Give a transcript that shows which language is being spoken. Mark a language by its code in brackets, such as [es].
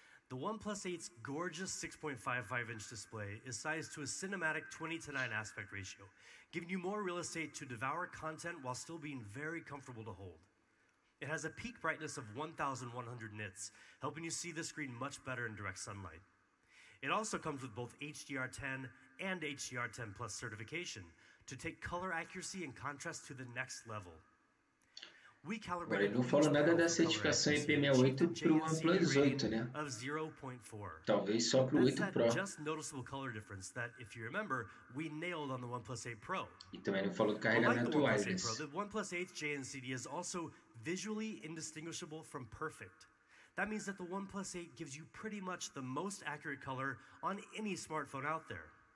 [en] The OnePlus 8's gorgeous 6.55-inch display is sized to a cinematic 20:9 aspect ratio, giving you more real estate to devour content while still being very comfortable to hold. It has a peak brightness of 1,100 nits, helping you see the screen much better in direct sunlight. It also comes with both HDR10 and HDR10 Plus certification to take color accuracy and contrast to the next level. We calibrated. [pt] Agora, ele não falou nada da certificação IP68 para o OnePlus 8, né? Of 0.4. Talvez só para o 8 Pro. [en] Just noticeable color difference that, if you remember, we nailed on the OnePlus 8 Pro. [pt] E também não falou do carregamento wireless. [en] The OnePlus 8 JNCD is also visually indistinguishable from perfect. That means that the OnePlus 8 gives you pretty much the most accurate color on any smartphone out there.